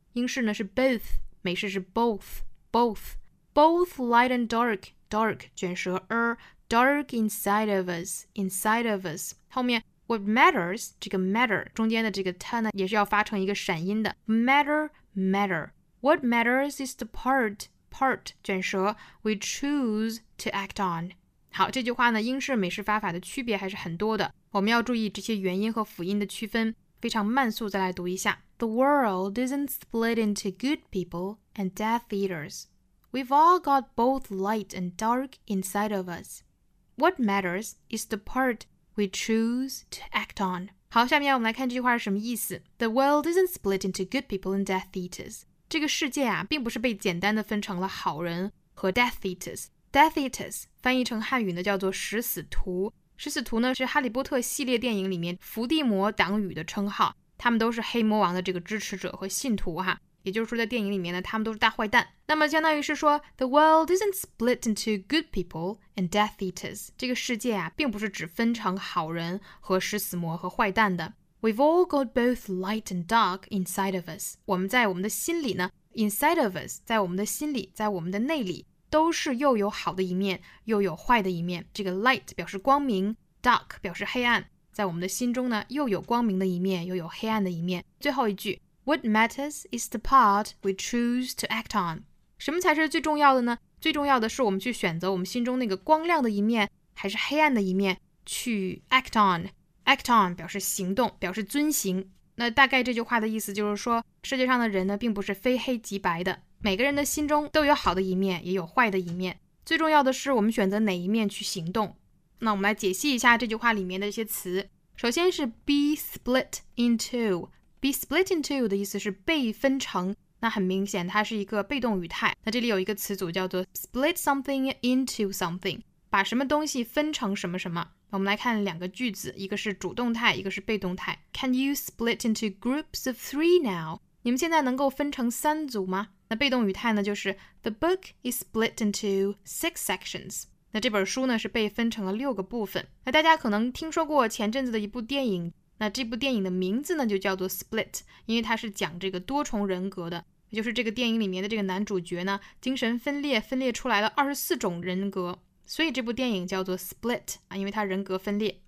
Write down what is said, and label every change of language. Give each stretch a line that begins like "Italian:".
Chinese: 英式呢是
English: both，
Chinese: 美式是
English: both light and dark， dark
Chinese: 卷舌
English: dark inside of us， inside of us
Chinese: 后面
English: what matters
Chinese: 这个
English: matter
Chinese: 中间的这个
English: t
Chinese: 呢也是要发成一个闪音的
English: matter what matters is the part 卷舌 we choose to act on。
Chinese: 好，这句话呢英式美式发法的区别还是很多的，我们要注意这些元音和辅音的区分，非常慢速再来读一下。
English: The world isn't split into good people and death eaters. We've all got both light and dark inside of us. What matters is the part we choose to act on.
Chinese: 好，下面我们来看这句话是什么意思。
English: The world isn't split into good people and death eaters.
Chinese: 这个世界啊，并不是被简单的分成了好人和 death eaters. Death eaters 翻译成汉语呢，叫做食死徒。食死徒呢，是哈利波特系列电影里面伏地魔党羽的称号。他们都是黑魔王的这个支持者和信徒哈，也就是说在电影里面呢，他们都是大坏蛋。那么相当于是说
English: The world isn't split into good people and death eaters.
Chinese: 这个世界啊，并不是只分成好人和食死魔和坏蛋的。
English: We've all got both light and dark inside of us.
Chinese: 我们在我们的心里呢
English: inside of us,
Chinese: 在我们的心里，在我们的内里，都是又有好的一面，又有坏的一面。这个 light 表示光明， dark 表示黑暗，在我们的心中呢，又有光明的一面，又有黑暗的一面。最后一句
English: What matters is the part we choose to act on.
Chinese: 什么才是最重要的呢？最重要的是我们去选择我们心中那个光亮的一面，还是黑暗的一面，去 act on. Act on 表示行动，表示遵行。那大概这句话的意思就是说，世界上的人呢，并不是非黑即白的，每个人的心中都有好的一面，也有坏的一面。最重要的是我们选择哪一面去行动。那我们来解析一下这句话里面的一些词。首先是 be split into， be split into 的意思是被分成，那很明显它是一个被动语态。那这里有一个词组叫做
English: split something into something，
Chinese: 把什么东西分成什么什么。我们来看两个句子，一个是主动态，一个是被动态。
English: Can you split into groups of three now？
Chinese: 你们现在能够分成三组吗？那被动语态呢，就是
English: The book is split into six sections。
Chinese: 那这本书呢是被分成了六个部分。那大家可能听说过前阵子的一部电影，那这部电影的名字呢就叫做 Split， 因为它是讲这个多重人格的，也就是这个电影里面的这个男主角呢精神分裂，分裂出来了24种人格，所以这部电影叫做 Split 啊，因为它人格分裂。